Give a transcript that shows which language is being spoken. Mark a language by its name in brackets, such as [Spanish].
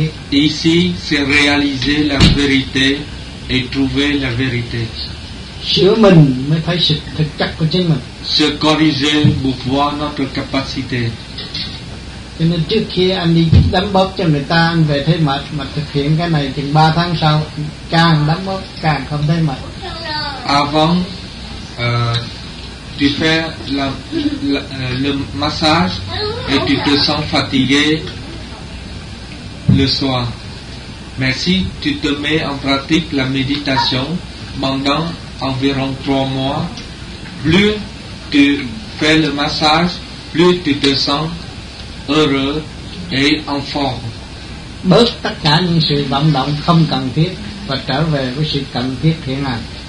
[French] Ici, c'est réaliser la vérité et trouver la vérité. [Vietnamese] Chữa mình mới thấy sự thực chất của chính mình. [French] Se corriger pour voir notre capacité. [Vietnamese] Cho nên trước khi anh đi đấm bóp cho người ta, anh về thấy mệt, mà thực hiện cái này chừng 3 tháng sau, càng đấm bóp càng không thấy mệt. [French] Avant tu fais le massage et tu te sens fatigué le soir. Mais si tu te mets en pratique la méditation pendant environ 3 mois, plus tu fais le massage, plus tu te sens heureux et en forme. [Vietnamese] Bớt tất cả những sự vận động không cần thiết và trở về với sự cần thiết hiện hành.